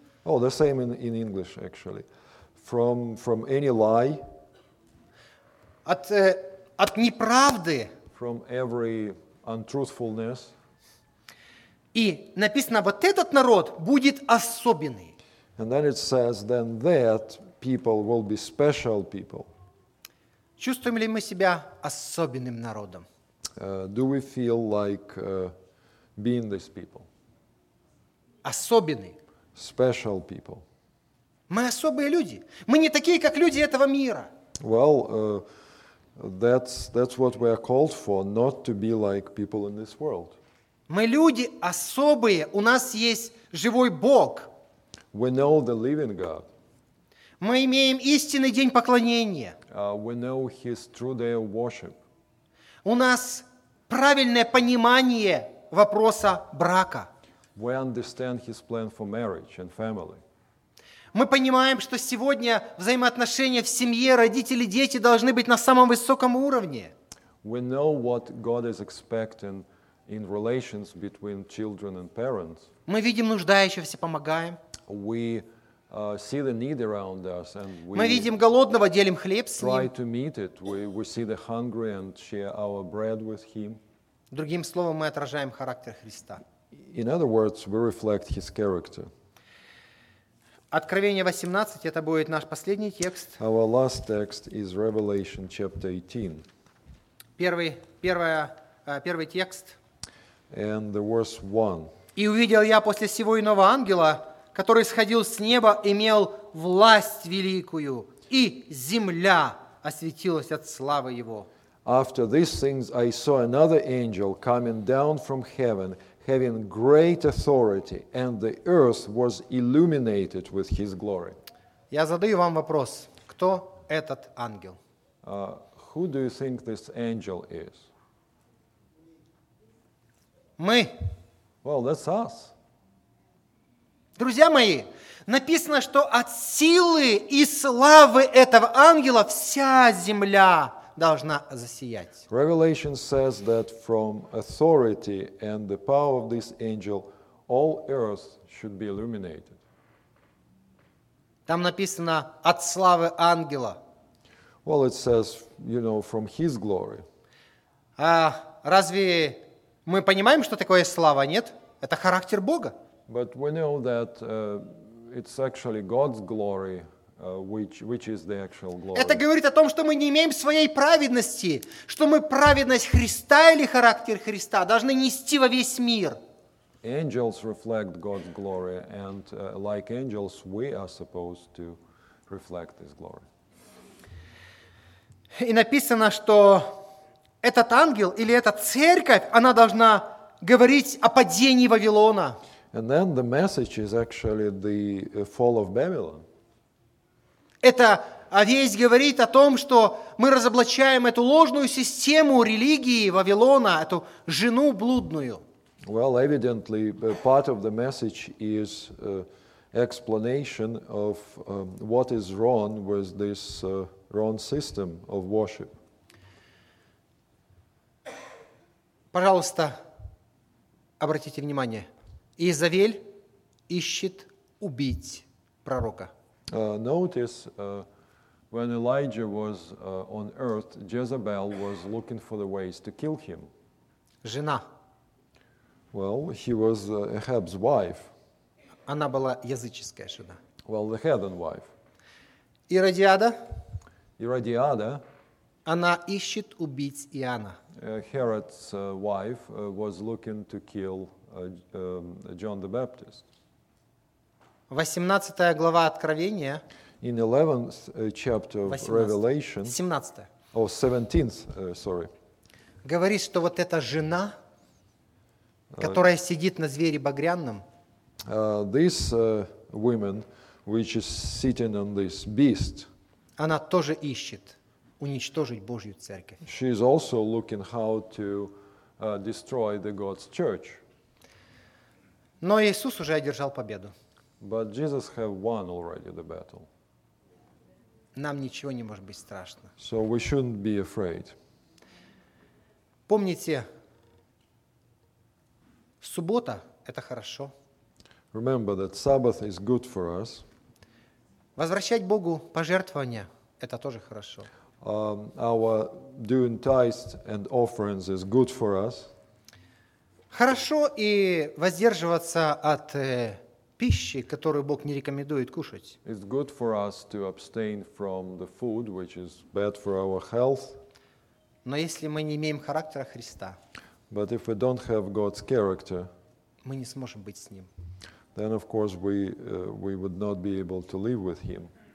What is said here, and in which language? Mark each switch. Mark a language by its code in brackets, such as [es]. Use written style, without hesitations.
[en] Oh, the same in English, actually. From any lie. [ru] От неправды. [en] From every untruthfulness. [ru] И написано, вот этот народ будет особенный. [en] And then it says, then that people will be special people. [ru] Чувствуем ли мы себя особенным народом? [en] Do we feel like being these people? [ru] Особенный. [en] Special people. [ru] Мы особые люди. Мы не такие, как люди этого мира. [en] Well, that's what we are called for, not to be like people in this world. [ru] Мы люди особые. У нас есть живой Бог. [en] We know the living God. [ru] Мы имеем истинный день поклонения. [en] We know His true day of worship. [ru] У нас правильное понимание вопроса брака. [en] We understand his plan for marriage and family. [ru] Мы понимаем, что сегодня взаимоотношения в семье, родители, дети должны быть на самом высоком уровне. [en] We know what God is expecting in relations between children and parents. [ru] Мы видим нуждающихся, помогаем. [en] We see the need around us and we [ru] Мы видим голодного, делим хлеб с ним. [en] Try to meet it. We see the hungry and share our bread with him. [ru] Другим словом, мы отражаем характер Христа. [en] In other words, we reflect his character. [ru] Откровение 18, это будет наш последний текст. [en] Our last text is Revelation chapter 18. [ru] Первый текст. [en] And the verse 1. [ru] И увидел я после сего иного ангела, который сходил с неба, имел власть великую, и земля осветилась от славы его. [en] After these things I saw another angel coming down from heaven, having great authority, and the earth was illuminated with his glory. [ru] Я задаю вам вопрос. Кто этот ангел? [en] Who do you think this angel is? [ru] Мы. [en] Well, that's us. [ru] Друзья мои, написано, что от силы и славы этого ангела вся земля должна засиять. [en] Revelation says that from authority and the power of this angel, all earth should be illuminated. [ru] Там написано от славы ангела. [en] Well, it says, you know, from his glory. [ru] А разве мы понимаем, что такое слава? Нет, это характер Бога. [en] But we know that it's actually God's glory. Which is the actual glory. [ru] Это говорит о том, что мы не имеем своей праведности, что мы праведность Христа или характер Христа должны нести во весь мир. [en] Angels reflect God's glory, and like angels, we are supposed to reflect His glory. [ru] И написано, что этот ангел или эта церковь, она должна говорить о падении Вавилона. [en] And then the message is actually the fall of Babylon. [ru] Это весь говорит о том, что мы разоблачаем эту ложную систему религии Вавилона, эту жену блудную. [en] Well, evidently, part of the message is explanation of what is wrong with this wrong system of worship. [ru] Пожалуйста, обратите внимание, Иезавель ищет убить пророка. [en] Notice when Elijah was on earth, Jezebel was looking for the ways to kill him. [ru] Жена. [en] Well, he was Ahab's wife. [ru] Она была языческая жена. [en] Well, the heathen wife. [ru] Иродиада. Иродиада. Она ищет убить Иоанна. [en] Herod's wife was looking to kill John the Baptist. [ru] 18 глава Откровения. [en] In 11th chapter of Revelation. [ru] 17. [en] Oh, 17th, sorry. [ru] Говорит, что вот эта жена, которая сидит на звере багряном. [en] This woman, which is sitting on this beast. [ru] Она тоже ищет уничтожить Божью церковь. [en] She is also looking how to destroy the God's church. [ru] Но Иисус уже одержал победу. [en] But Jesus have won already the battle. [ru] Нам ничего не может быть страшно. [en] So we shouldn't be afraid. [ru] Помните, суббота – это хорошо. [en] Remember that Sabbath is good for us. [ru] Возвращать Богу пожертвования – это тоже хорошо. [en] Our doing tithes and offerings is good for us. [ru] Хорошо и воздерживаться от пищи, которую Бог не рекомендует кушать. [en] It's good for us to abstain from the food, which is bad for our health. [ru] Но если мы не имеем характера Христа, [en] but if we don't have God's character, [ru] мы не сможем быть с Ним. [en] Then, of course, we would not be able to live with Him.